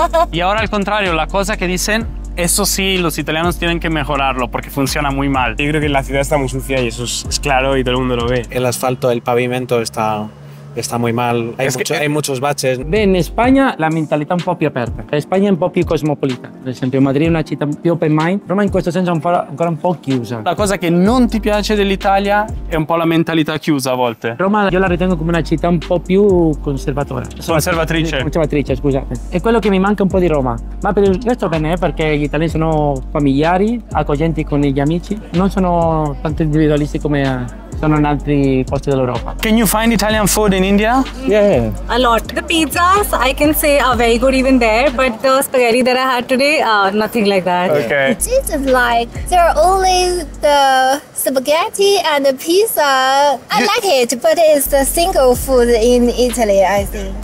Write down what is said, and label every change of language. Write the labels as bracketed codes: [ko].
[es] Y ahora al contrario, la cosa que dicen, eso sí, los italianos tienen que mejorarlo porque funciona muy mal. Yo creo que la ciudad está muy sucia y eso es claro y todo el mundo lo ve. El asfalto, el pavimento está muy mal, hay muchos baches. Ve, en España la mentalidad un poco más abierta. España es un poco más cosmopolita. Por ejemplo, Madrid es una ciudad más [en] open mind. [it] Roma en este senso es ancora un poco chiusa. [es] La cosa que no [it] te piace dell'Italia [es] es un poco la mentalidad [it] chiusa a volte. [es] Roma yo la [it] ritengo [es] como una ciudad un poco más conservadora. [it] Conservatrice, scusate. [es] Es [it] quello [es] que me [it] manca un poco de Roma. Ma per il resto bene, [es] porque [it] gli italiani sono familiari, accoglienti con gli amici. Non sono tanto individualisti come sono in altri posti dell'Europa. [en] Can you find Italian food in India? Yeah. A lot. The pizzas, I can say, are very good even there, but the spaghetti that I had today, nothing like that. Okay. The cheese is like, there are only the spaghetti and the pizza. I like it, but it's the single food in Italy, I think.